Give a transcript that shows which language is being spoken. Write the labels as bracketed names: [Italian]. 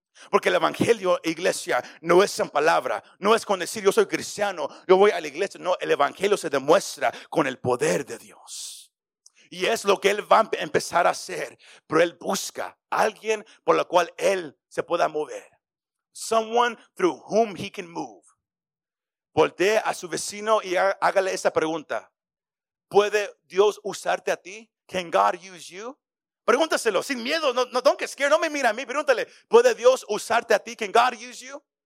[Spanish] Porque el evangelio, iglesia, no es en palabra. No es con decir yo soy cristiano, yo voy a la iglesia. No, el evangelio se demuestra con el poder de Dios. Y es lo que él va a empezar a hacer. Pero él busca a alguien por la cual él se pueda mover. [English] Someone through whom he can move. [Spanish] Voltee a su vecino y hágale esa pregunta. ¿Puede Dios usarte a ti? [English] Can God use you? [Spanish] Pregúntaselo sin miedo, no, [English] don't get scared, [Spanish] no me mira a mí, pregúntale, ¿puede Dios usarte a ti? Can God use you?